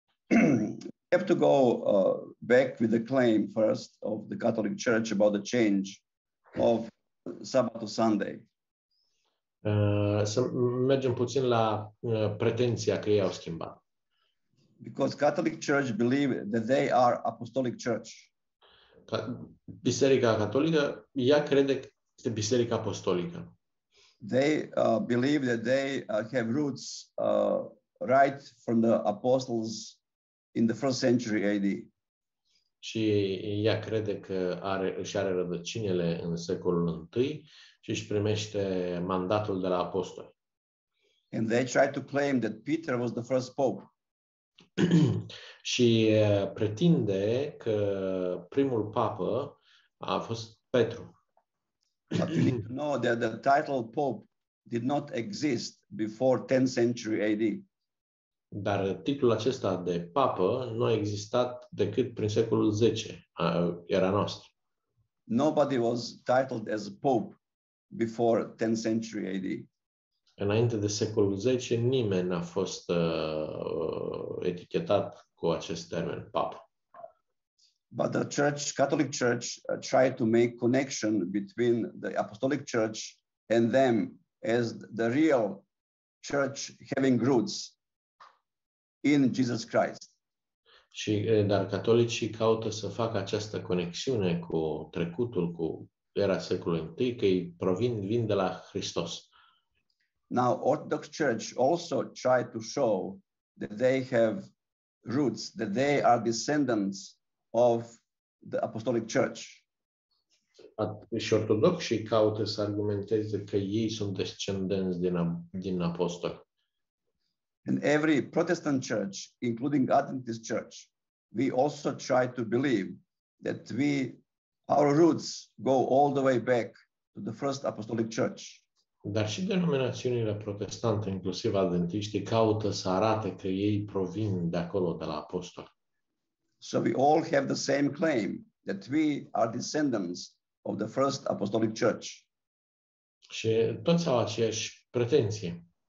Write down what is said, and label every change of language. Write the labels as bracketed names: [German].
[English] We have to go back with the claim first of the Catholic Church about the change of Sabbath to Sunday. [Romanian] Să mergem puțin la pretenția că ei au schimbat. [English] Because Catholic Church believe that they are apostolic church. [Romanian] Biserica catolică, ea crede că este biserica apostolică. [English] They believe that they have roots right from the apostles in the first century AD. [Romanian] Și ea crede că își are rădăcinile în secolul I și își primește mandatul de la apostoli. [English] And they try to claim that Peter was the first pope. [Romanian] Și pretinde că primul papă a fost Petru. [English] But you need to know that the title pope did not exist before 10th century AD. [Romanian] Dar titlul acesta de papă nu a existat decât prin secolul 10 era nostru. [English] Nobody was titled as pope before 10th century AD. [Romanian] Înainte de secolul 10 nimeni n-a fost etichetat cu acest termen papă. [English] But the church, Catholic Church tried to make connection between the apostolic church and them as the real church having roots in Jesus Christ. [Romanian] Și dar catolicii caută să facă această conexiune cu trecutul, cu era secolului I, că ei vin de la Hristos. [English] Now Orthodox Church also tried to show that they have roots, that they are descendants of the Apostolic Church. [Romanian] Și ortodoxii caută să argumenteze că ei sunt descendenți din apostoli. [English] And every Protestant church, including Adventist church, we also try to believe that our roots go all the way back to the first apostolic church. [Romanian] Dar și denominațiunile protestante, inclusiv adventiștii, caută să arate că ei provin de acolo, de la apostoli. [English] So we all have the same claim that we are descendants of the first apostolic church. [Romanian] Și toți au aceeași pretenție.